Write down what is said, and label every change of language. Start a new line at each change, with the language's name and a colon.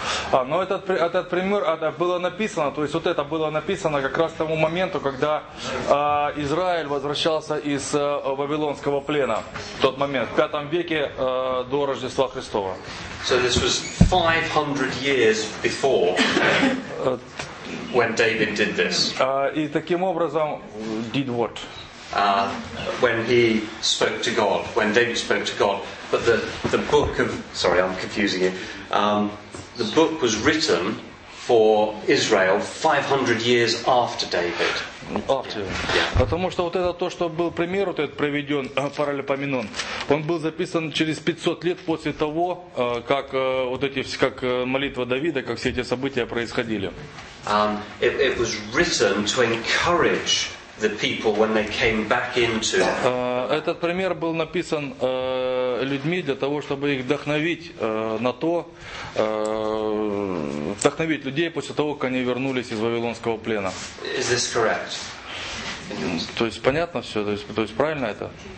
Russian: Этот пример было написано, то есть вот это было написано как раз к тому моменту, когда Израиль возвращался из вавилонского плена. В тот момент, в 5 веке до Рождества Христова.
English: So this was 500 years before when David did this.
Russian: И таким образом
English: did what? When he spoke to God, when David spoke to God, but the book of, sorry, I'm confusing you. The book was written for Israel 500 years after David. After.
Russian: Потому что вот это то, что был пример, вот этот приведен Паралипоменон. Он был записан через 500 лет после того, как вот эти, как молитва Давида, как все эти события происходили.
English: It was written to encourage the people when they came back into.
Russian: Этот пример был написан людьми для того, чтобы их вдохновить на то, вдохновить людей после того, как они вернулись из вавилонского плена.
English: Is this correct?
Russian: То есть понятно все, то есть правильно это?